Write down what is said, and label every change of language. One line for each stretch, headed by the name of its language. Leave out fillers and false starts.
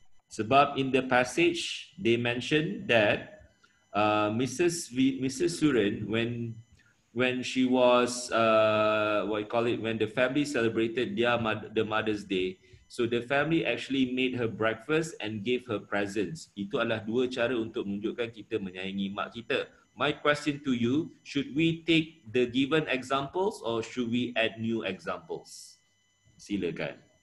English: Sebab in the passage, they mentioned that Mrs. Surin, when she was, when the family celebrated the Mother's Day, so the family actually made her breakfast and gave her presents.
Malay: Itu adalah dua cara untuk menunjukkan kita menyayangi mak kita.
English: My question to you, should we take the given examples or should we add new examples? Silakan.